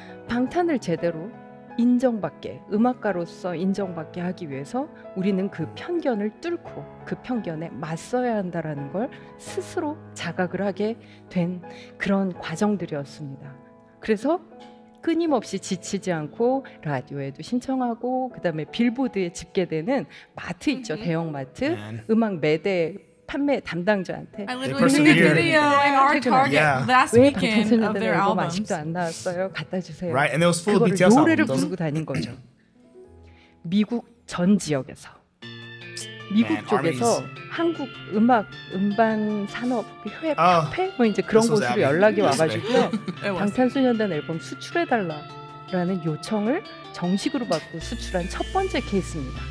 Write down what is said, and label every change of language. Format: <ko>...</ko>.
<ko>방탄을 제대로 인정받게 음악가로서 인정받게 하기 위해서 우리는 그 편견을 뚫고 그 편견에 맞서야 한다라는 걸 스스로 자각을 하게 된 그런 과정들이었습니다. 그래서 끊임없이 지치지 않고 라디오에도 신청하고 그 다음에 빌보드에 집계되는 마트 있죠. Mm-hmm. 대형마트.</ko> <en>Man.</en> <ko>음악 매대 판매 담당자한테</ko> <en>I literally made the video in our Target last weekend of their albums.</en> <ko>아직도 안 나왔어요. 갖다 주세요.</ko> <en>Right, and it was full of BTS albums.</en> <ko>노래를 부르고 다닌 거죠. 미국 전 지역에서 미국 Man, 쪽에서 armies. 한국 음악 음반 산업 협회 카페 뭐 이제 그런 곳으로 연락이 와가지고 방탄소년단 앨범 수출해달라. 라는 요청을 정식으로 받고 수출한 첫 번째 케이스입니다.</ko>